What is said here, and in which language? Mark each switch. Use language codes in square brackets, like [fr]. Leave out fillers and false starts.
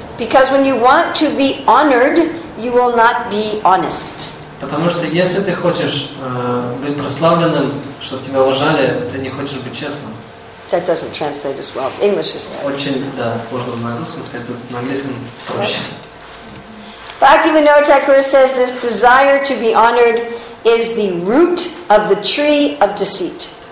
[en] Because when you want to be honored, you will not be honest. [ru] Потому что если ты хочешь быть прославленным, чтобы тебя уважали, ты не хочешь быть честным. [en] That doesn't translate as well. English is better. [ru] Очень, да, сложно на русском сказать, на английском проще. [en] Bhaktivinoda Thakur says this desire to be honored is the root of the tree of deceit.